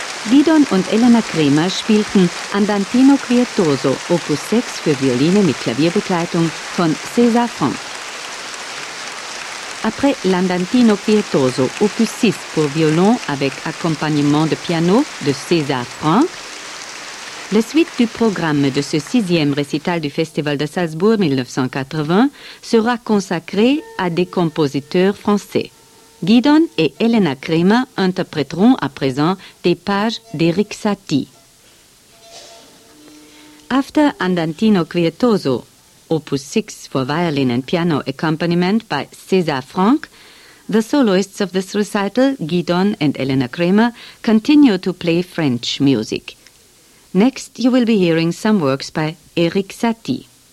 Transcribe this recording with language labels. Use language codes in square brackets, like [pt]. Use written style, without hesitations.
[de] Gidon und Elena Kremer spielten Andantino Quietoso, Opus 6 für Violine mit Klavierbegleitung von César Franck. [fr] Après l'Andantino Quietoso, Opus 6 pour violon avec accompagnement de piano de César Franck, la suite du programme de ce sixième récital du Festival de Salzbourg 1980 sera consacrée à des compositeurs français. Gidon et Elena Kremer interpréteront à présent des pages d'Eric Satie. [en] After Andantino Quietoso, Opus 6 for violin and piano accompaniment by César Franck, the soloists of this recital, Gidon and Elena Kremer, continue to play French music. Next, you will be hearing some works by Eric Satie.